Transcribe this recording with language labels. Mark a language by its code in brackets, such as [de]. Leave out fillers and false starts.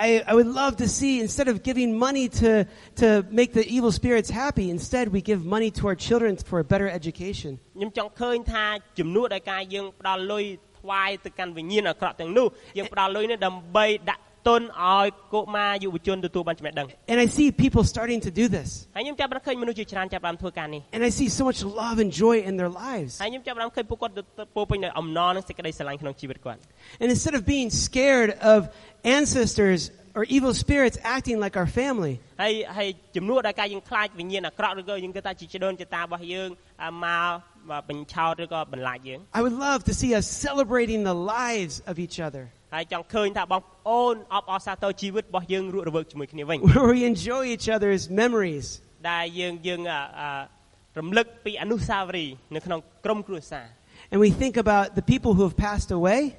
[en] I would love to see instead of giving money to make the evil spirits happy instead we give money to our children for a better education [km] ខ្ញុំចង់ឃើញថាជំនួសដល់ការយើងផ្ដល់លុយថ្វាយទៅកាន់វិញ្ញាណអាក្រក់ទាំងនោះយើងផ្ដល់លុយនេះដើម្បីដាក់ទុនឲ្យកុមារយុវជនទទួលបានចំណេះដឹង [en] And I see people starting to do this [km] ហើយខ្ញុំចាប់បានឃើញមនុស្សជាច្រើនចាប់បានធ្វើការនេះ [en] And I see so much love and joy in their lives [km] ហើយខ្ញុំចាប់បានឃើញពួកគាត់ពោពេញដោយអំណរនិងសេចក្តីស្រឡាញ់ក្នុងជីវិតគាត់ [en] And instead of being scared of ancestors or evil spirits acting like our family [km] hey ជំនួសដល់ការយើងខ្លាចវិញ្ញាណអាក្រក់ឬក៏យើងគិតថាជាដូនចតារបស់យើងមកបញ្ឆោតឬក៏បន្លាចយើង [en] I would love to see us celebrating the lives of each other [km] ហើយចង់ឃើញថាបងប្អូនអបអរសាទរជីវិតរបស់យើងរួមរវើកជាមួយគ្នាវិញ [en] We enjoy each other's memories [km] ដែលយើងរំលឹកពីអនុស្សាវរីយ៍នៅក្នុងក្រុមគ្រួសារ [en] And we think about the people who have passed away